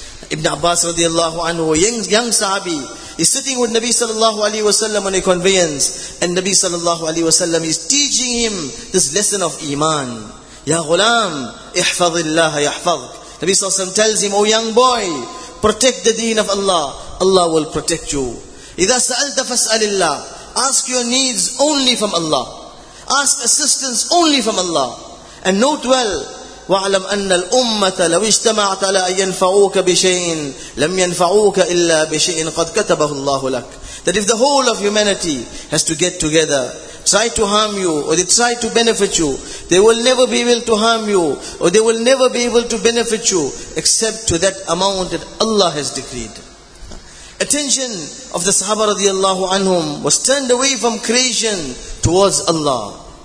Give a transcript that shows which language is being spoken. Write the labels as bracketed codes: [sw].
[en] Ibn Abbas radiallahu anhu, young Sahabi, is sitting with Nabi sallallahu alayhi wasallam on a conveyance, and Nabi sallallahu alayhi wasallam is teaching him this lesson of Iman. Ya ghulam, ihfadillaha yahfadhuk. Nabi sallallahu alayhi wasallam tells him, oh young boy, protect the deen of Allah, Allah will protect you. Idha sa'alta fas'alillah, ask your needs only from Allah. Ask assistance only from Allah. And note well, [ar] وَعْلَمْ أَنَّ الْأُمَّةَ لَوِ اجْتَمَعْتَ لَا يَنْفَعُوكَ بِشَيْءٍ لَمْ يَنْفَعُوكَ إِلَّا بِشَيْءٍ قَدْ كَتَبَهُ اللَّهُ لَكَ. [en] That if the whole of humanity has to get together, try to harm you, or they try to benefit you, they will never be able to harm you, or they will never be able to benefit you, except to that amount that Allah has decreed. Attention of the Sahaba radiallahu anhum was turned away from creation towards Allah.